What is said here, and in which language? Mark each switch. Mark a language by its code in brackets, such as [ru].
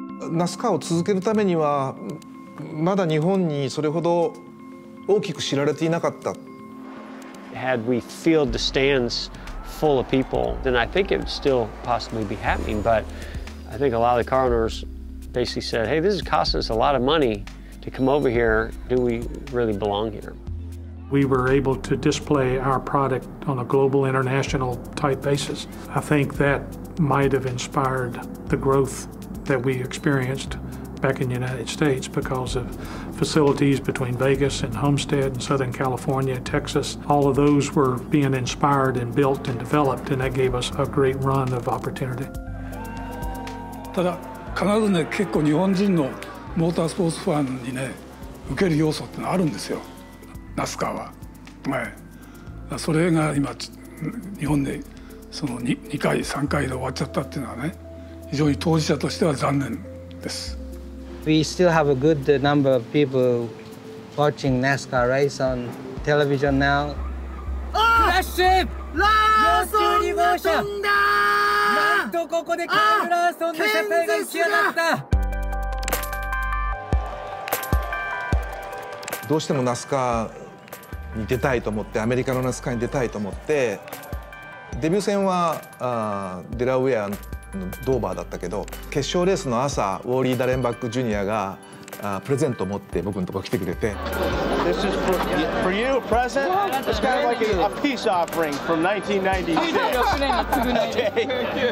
[ja] NASCARを続けるためにはまだ日本にそれほど大きく知られていなかった。 [en] Had we filled the stands full of people, then I think it would still possibly be happening. But I think a lot of the car owners basically said, hey, this is costing us a lot of money to come over here. Do we really belong here? We were able to display our product on a global, international type basis. I think that might have inspired the growth that we experienced back in the United States because of facilities between Vegas and Homestead and Southern California, Texas. All of those were being inspired and built and developed, and that gave us a great run of opportunity. [ja] ただ必ずね結構日本人のモータースポーツファンにね受ける要素ってのあるんですよ。ナスカーは。はい。それが今日本でその2回3回で終わっちゃったっていうのはね。 [en] We still have a good number of people watching NASCAR race on television now. Oh! Crash ship! Larson [ja] が飛んだ！なんとここでカール・ラーソンの車体が浮き上がった！どうしてもナスカーに出たいと思って、アメリカのナスカーに出たいと思って、デビュー戦はデラウェアのドーバーだったけど、決勝レースの朝、ウォーリー・ダレンバック・ジュニアがプレゼントを持って僕のところに来てくれて。 [en] This is for you, a present? It's kind of like a peace offering from 1996.